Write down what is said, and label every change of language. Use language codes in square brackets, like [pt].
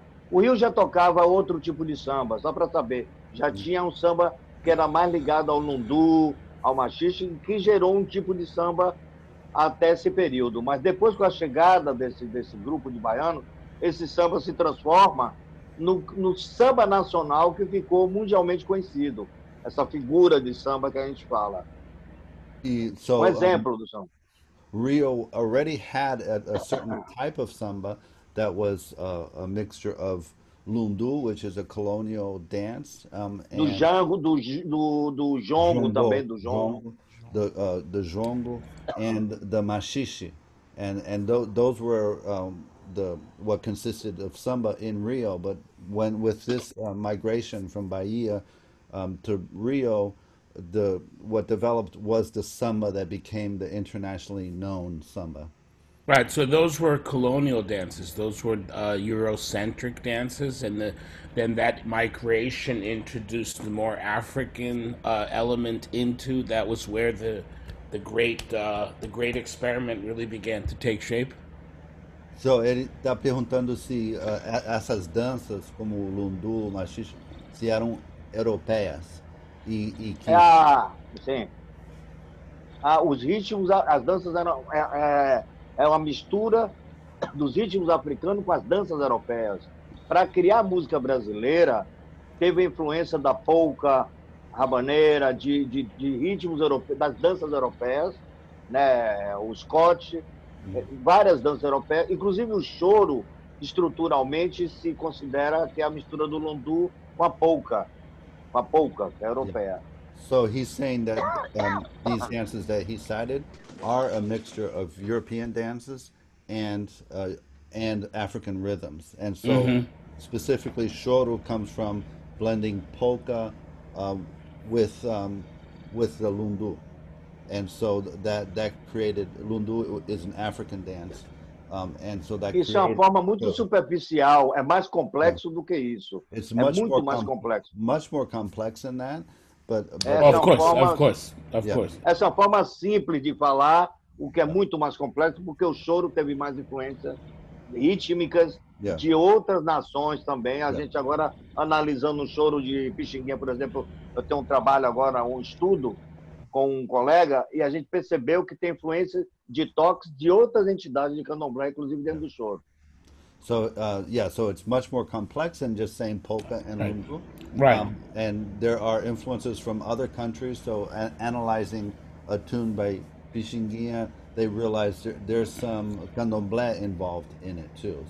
[pt] O Rio já tocava outro tipo de samba, só para saber. Já tinha samba que era mais ligado ao lundu, ao maxixe, que gerou tipo de samba até esse período. Mas depois, com a chegada desse grupo de baianos, esse samba se transforma no samba nacional que ficou mundialmente conhecido. Essa figura de samba que a gente fala. [en] So, [pt] exemplo do samba. [en] Rio already had a certain type of samba that was a mixture of lundu, which is a colonial dance, and [pt] do jango, do jongo também, do jongo, [en] the jongo and the maxixe, and those were what consisted of samba in Rio. But with this migration from Bahia to Rio, what developed was the samba that became the internationally known samba. Right, so those were colonial dances. Those were Eurocentric dances, and then that migration introduced the more African element into. That was where the great experiment really began to take shape. [pt] So ele está perguntando se essas danças como o lundu, o maxixe, se eram europeias e que. Ah, sim. Ah, os ritmos, as danças eram. É uma mistura dos ritmos africanos com as danças europeias. Para criar a música brasileira, teve a influência da polca, rabaneira, de ritmos europeus, das danças europeias, né? O scotch, várias danças europeias. Inclusive o choro, estruturalmente, se considera que é a mistura do lundu com a polca, que é europeia. [en] Yeah. So he's saying that these dances that he cited are a mixture of European dances and African rhythms. And so specifically choro comes from blending polka with the lundu. And so that created, lundu is an African dance. And so that [pt] isso [en] created, [pt] é uma forma muito superficial, é mais complexo do que isso. [en] It's [pt] é [en] much [pt] muito mais complexo. [en] Much more complex than that. Of course. [pt] Essa é uma forma simples de falar, o que é muito mais complexo, porque o choro teve mais influência rítmicas de outras nações também. A gente agora, analisando o choro de Pixinguinha, por exemplo, eu tenho um trabalho agora, um estudo com um colega, e a gente percebeu que tem influência de toques de outras entidades de candomblé, inclusive dentro do choro. [en] So so it's much more complex than just saying polka and lundu. Right. And there are influences from other countries. So analyzing a tune by Pixinguinha, they realize there's some candomblé involved in it too.